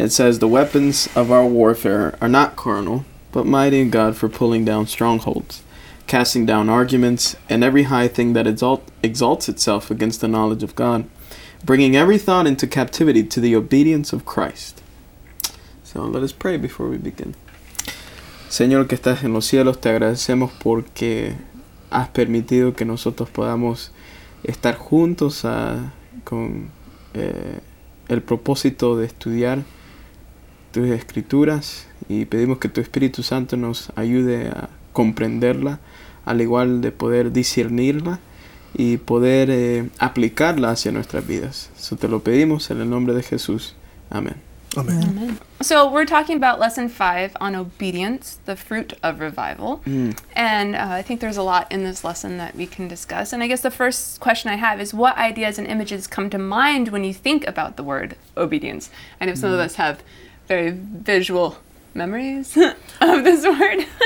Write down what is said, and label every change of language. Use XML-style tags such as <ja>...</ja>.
<en>It says, "The weapons of our warfare are not carnal, but mighty in God for pulling down strongholds, casting down arguments, and every high thing that exalts itself against the knowledge of God, bringing every thought into captivity to the obedience of Christ." So let us pray before we begin.</en> <es>Señor que estás en los cielos, te agradecemos porque has permitido que nosotros podamos estar juntos con el propósito de estudiar tus escrituras, y pedimos que tu Espíritu Santo nos ayude a comprenderla, al igual de poder discernirla y poder aplicarla hacia nuestras vidas. Eso te lo pedimos en el nombre de Jesús. Amén.</es> <en>Amen. Amen. So we're talking about lesson 5 on obedience, the fruit of revival. Mm. And I think there's a lot in this lesson that we can discuss. And I guess the first question I have is, what ideas and images come to mind when you think about the word obedience? I know some of us have very visual memories of this word.</en>